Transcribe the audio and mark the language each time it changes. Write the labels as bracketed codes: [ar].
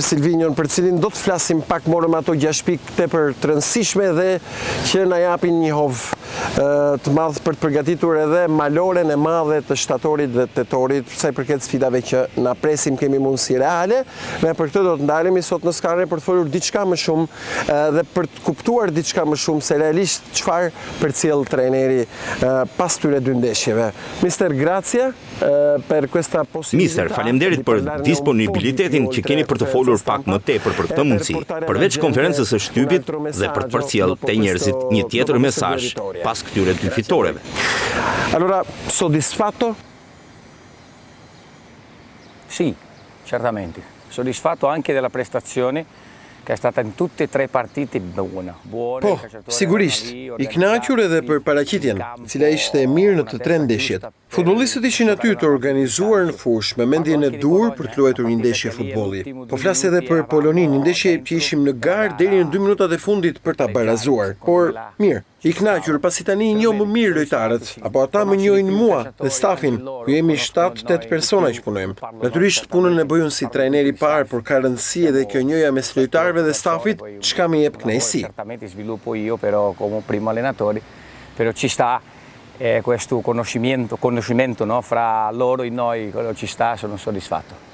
[sq] Silvinion, për cilin do të flasim pak, morëm ato 6 pikë tepër të rëndësishme dhe që na japin një hov të madh për të përgatitur edhe maloren e madhe të shtatorit dhe tetorit, sa i përket sfidave që na presim kemi mundësi reale. Ne për këtë do të ndalemi sot në skarre për të folur diçka më shumë dhe për të kuptuar diçka më shumë se realisht çfarë përcjell trajneri pas këtyre dy ndeshjeve. [it] Mister, grazie per questa possibilità. [sq] Mister, faleminderit për disponibilitetin që keni për të folur pak më tepër për këtë mundësi. Përveç konferencës së shtypit dhe për të përcjell te njerëzit një tjetër mesazh pas këtyre dy fitoreve. [it] Allora, soddisfatto? Sì, certamente. Soddisfatto anche della prestazione che è stata in tutti e tre partiti buona. [sq] Po, sigurisht, i kënaqur edhe për paraqitjen, e cila ishte e mirë në të tre ndeshjet. Futbollistët ishin aty të organizuar në fushë, me mendjen e dur për të luajtur një ndeshje futbolli. Po flas edhe për Polonin, një ndeshje që ishim në garë deri në 2 minutat e fundit për ta barazuar. Por, mirë, i kënaqur pasi tani i njoh më mirë lojtarët, apo ata më njohin mua dhe stafin, ku jemi 7-8 persona që punojmë. Natyrisht punën e bëjun si trajner i parë, por ka rëndësi edhe kjo njoha mes lojtarëve dhe stafit, çka më jep kënaqësi. [it] Certamente sviluppo io però come primo allenatore, però ci sta questo conoscimento, no, fra loro e noi, quello ci sta, sono soddisfatto.